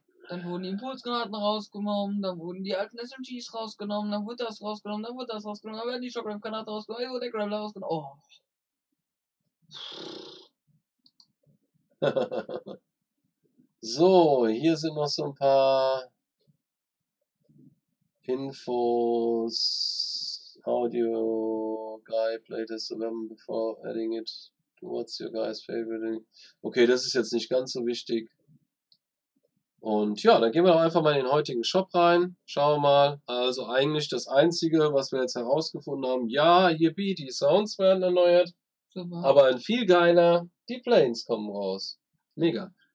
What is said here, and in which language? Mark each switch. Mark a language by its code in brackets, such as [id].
[de] Dann wurden die Impulsgranaten rausgenommen, dann wurden die alten SMGs rausgenommen, dann wurde das rausgenommen, dann werden die Shockwave-Granate rausgenommen, dann wurde der Grappler rausgenommen. Oh. So, hier sind noch so ein paar Infos. [en] Audio Guy played this alone before adding it. What's your guy's favorite? [de] Okay, das ist jetzt nicht ganz so wichtig. Und ja, dann gehen wir doch einfach mal in den heutigen Shop rein. Schauen wir mal. Also eigentlich das Einzige, was wir jetzt herausgefunden haben. Ja, yippie, die Sounds werden erneuert. Super. Aber ein viel geiler, die Planes kommen raus. Mega.